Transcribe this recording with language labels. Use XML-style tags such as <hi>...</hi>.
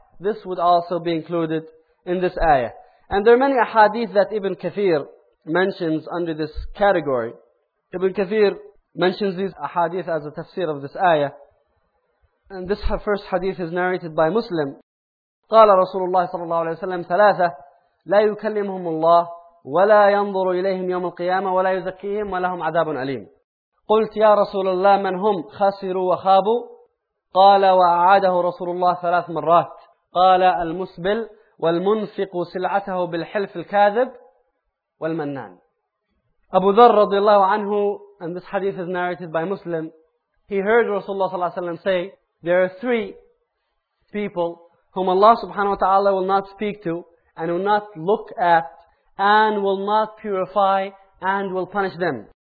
<en>This would also be included in this ayah. And there are many ahadith that Ibn Kathir mentions under this category. Ibn Kathir mentions these ahadith as a tafsir of this ayah. And this first hadith is narrated by Muslim.</en> <ar>قال رسول الله صلى الله عليه وسلم ثلاثة لا يكلمهم الله ولا ينظر إليهم يوم القيامة ولا يزكيهم ولهم عذاب أليم. قلت يا رسول الله من هم خسروا وخابوا قال وأعاده رسول الله ثلاث مرات قال المسبل والمنفق سلعته بالحلف الكاذب والمنان. أبو ذر رضي الله عنه,</ar> <en>and this hadith is narrated by Muslim, he heard Rasulullah صلى الله عليه وسلم say, there are three people whom Allah subhanahu wa ta'ala will not speak to and will not look at and will not purify and will punish them.</en>